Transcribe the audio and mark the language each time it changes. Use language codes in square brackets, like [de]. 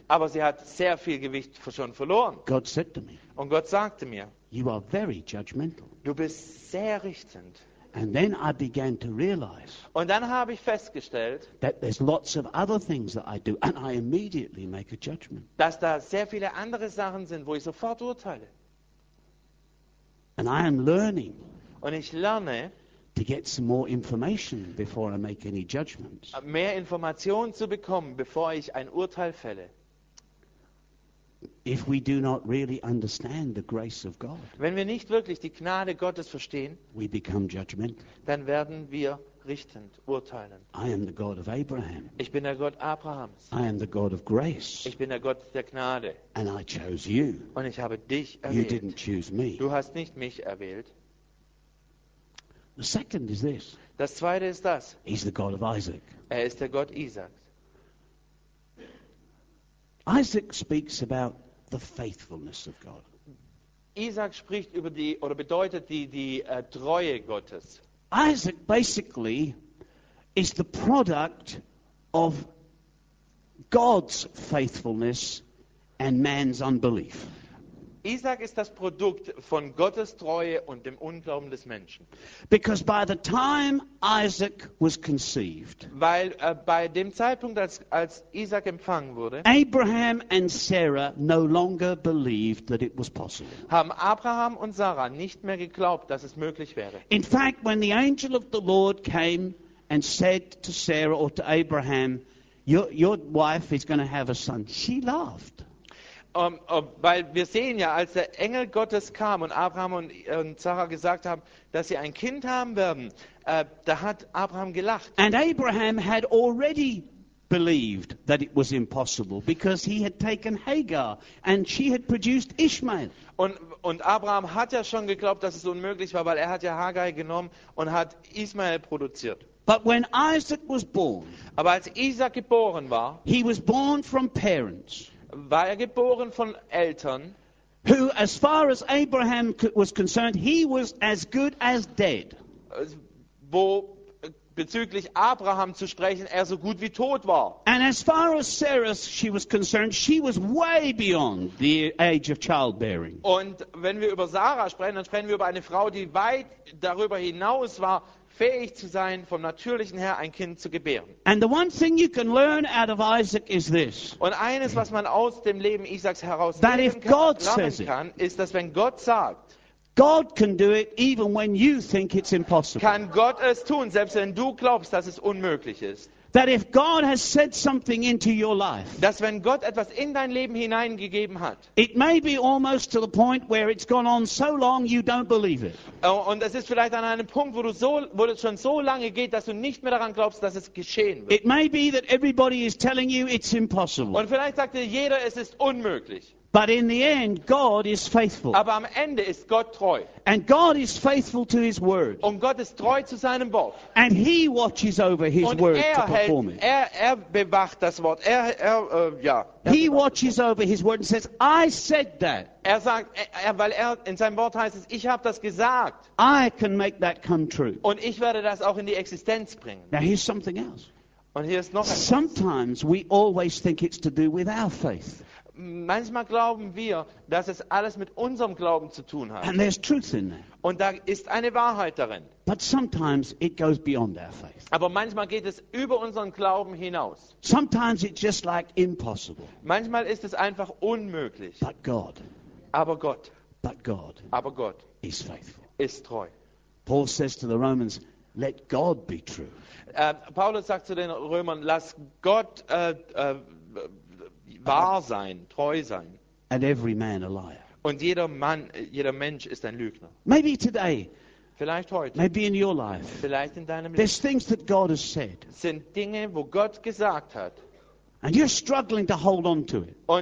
[de] Aber sie hat sehr viel Gewicht schon verloren. [en] God said to me. [de] Und Gott sagte mir. [en] You are very judgmental. [de] Du bist sehr richtend. [en] And then I began to realize. [de] Und dann habe ich festgestellt, [en] that there's lots of other things that I do, and I immediately make a judgment. [de] Dass da sehr viele andere Sachen sind, wo ich sofort urteile. [en] And I am learning. [de] Und ich lerne, [en] to get some more information before I make any judgments. [de] Mehr Informationen zu bekommen, bevor ich ein Urteil fälle. [en] If we do not really understand the grace of God, [de] wenn wir nicht wirklich die Gnade Gottes verstehen, [en] we become judgmental. [de] Dann werden wir richtend urteilen. [en] I am the God of Abraham. [de] Ich bin der Gott Abrahams. [en] I am the God of grace. [de] Ich bin der Gott der Gnade. [en] And I chose you. [de] Und ich habe dich erwählt. [en] You didn't choose me. [de] Du hast nicht mich erwählt. [en] The second is this. [de] Das zweite ist das. [en] He's the God of Isaac. [de] Er ist der Gott Isaaks. [en] Isaac speaks about the faithfulness of God. [de] Isaac spricht über die oder bedeutet die Treue Gottes. [en] Isaac basically is the product of God's faithfulness and man's unbelief. [de] Isaac ist das Produkt von Gottes Treue und dem Unglauben des Menschen. [en] Because by the time Isaac was conceived, [de] weil bei dem Zeitpunkt, als Isaac empfangen wurde, [en] Abraham and Sarah no longer believed that it was possible. [de] Haben Abraham und Sarah nicht mehr geglaubt, dass es möglich wäre. [en] In fact, when the angel of the Lord came and said to Sarah or to Abraham, your wife is going to have a son, she laughed. [de] Weil wir sehen ja, als der Engel Gottes kam und Abraham und Sarah gesagt haben, dass sie ein Kind haben werden, da hat Abraham gelacht. [en] And Abraham had already believed that it was impossible because he had taken Hagar and she had produced Ishmael. [de] Und Abraham hat ja schon geglaubt, dass es unmöglich war, weil er hat ja Hagar genommen und hat Ishmael produziert. [en] But when Isaac was born, [de] aber als Isaac geboren war, [en] he was born from parents. [de] War er geboren von Eltern, [en] who, as far as Abraham was concerned, he was as good as dead. [de] Wo bezüglich Abraham zu sprechen, er so gut wie tot war. [en] And as far as Sarah, she was concerned, she was way beyond the age of childbearing. [de] Und wenn wir über Sarah sprechen, dann sprechen wir über eine Frau, die weit darüber hinaus war, fähig zu sein, vom Natürlichen her ein Kind zu gebären. [en] And the one thing you can learn out of Isaac is this. [de] Und eines, was man aus dem Leben Isaaks heraus lernen kann, ist, dass wenn Gott sagt, [en] God can do it even when you think it's impossible. [de] Kann Gott es tun, selbst wenn du glaubst, dass es unmöglich ist. [en] That if God has said something into your life, [de] dass wenn Gott etwas in dein Leben hineingegeben hat, [en] it may be almost to the point where it's gone on so long you don't believe it. [de] Und es ist vielleicht an einem Punkt, wo es schon so lange geht, dass du nicht mehr daran glaubst, dass es geschehen wird. [en] It may be that everybody is telling you it's impossible. [de] Und vielleicht sagt dir jeder, es ist unmöglich. [en] But in the end, God is faithful. [de] Aber am Ende ist Gott treu. [en] And God is faithful to His word. [de] Und Gott ist treu zu seinem Wort. [en] And He watches over His [de] und [en] word [de] er [en] to perform [de] hält, [en] it. [de] Er bewacht das Wort. [en] He watches over His word and says, "I said that." [de] Er sagt, weil in seinem Wort heißt es, ich habe das gesagt. [en] I can make that come true. [de] Und ich werde das auch in die Existenz bringen. [en] Now here's something else. [de] Und hier ist noch etwas. [en] Sometimes we always think it's to do with our faith. [de] manchmal glauben wir, dass es alles mit unserem Glauben zu tun hat. [en] And there's truth in that. [de] Und da ist eine Wahrheit darin. [en] But sometimes it goes beyond our faith. [de] Aber manchmal geht es über unseren Glauben hinaus. [en] Sometimes it's just like impossible. [de] Manchmal ist es einfach unmöglich. [en] But God. [de] Aber Gott. [en] But God. [de] Aber Gott. [en] Is faithful. [de] Ist treu. [en] Paul says to the Romans, let God be true. [de] Paulus sagt zu den Römern, lass Gott wahr sein, treu sein. [en] And every man a liar. [de] Und jeder Mensch ist ein Lügner. [en] Maybe today. [de] Vielleicht heute. [en] Maybe in your life. [de] Vielleicht in deinem Leben. [en] There's things that God has said. [de] Sind Dinge, wo Gott gesagt hat. [en] And you're struggling to hold on to it.